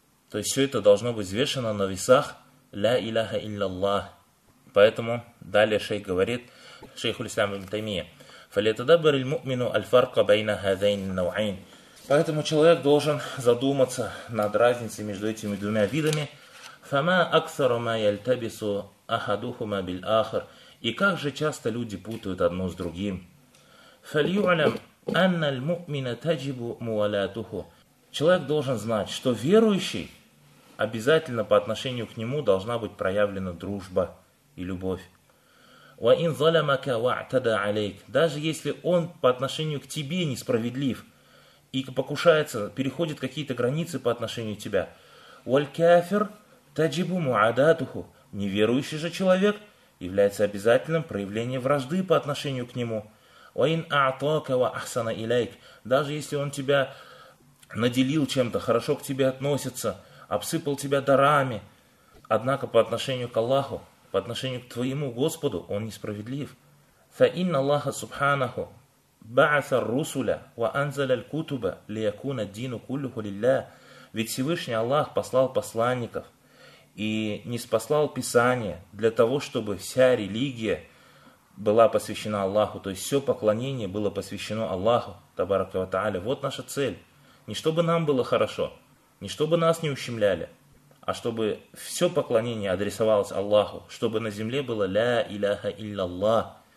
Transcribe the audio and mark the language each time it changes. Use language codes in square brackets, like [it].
[ru] То есть все это должно быть взвешено на весах [ar] «Ля иляха илляллах». [ru] Поэтому далее шейх говорит, шейх Ислам ибн Таймия: [ar] فليتدبر المؤمن الفرق بين هذين النوعين. [ru] Поэтому человек должен задуматься над разницей между этими двумя видами. [ar] فما اكثر ما يلتبس احدهما بالاخر. [ru] И как же часто люди путают одно с другим. [ar] فليعلم ان المؤمن تجب موالاته. [ru] Человек должен знать, что верующий обязательно по отношению к нему должна быть проявлена дружба и любовь. [ar] وَإِنْ ظَلَمَكَ وَاَعْتَدَ عَلَيْكَ. [ru] Даже если он по отношению к тебе несправедлив и покушается, переходит какие-то границы по отношению к тебе. [ar] وَالْكَافِرْ تَجِبُ مُعَدَاتُهُ. [ru] Неверующий же человек является обязательным проявлением вражды по отношению к нему. [ar] وَإِنْ أَعْطَاكَ وَأَحْسَنَ إِلَيْكَ. [ru] Даже если он тебя наделил чем-то, хорошо к тебе относится, обсыпал тебя дарами, однако по отношению к Аллаху, по отношению к твоему Господу, он несправедлив. [ar] فإن الله سبحانه بعث الرسل وأنزل الكتب ليكون الدين كله لله. [ru] Ведь Всевышний Аллах послал посланников и ниспослал Писание для того, чтобы вся религия была посвящена Аллаху, то есть все поклонение было посвящено Аллаху, [ar] табарака ва тааля. [ru] Вот наша цель. Не чтобы нам было хорошо, не чтобы нас не ущемляли, а чтобы все поклонение адресовалось Аллаху, чтобы на земле было [ar] «Ля иляха илляллах».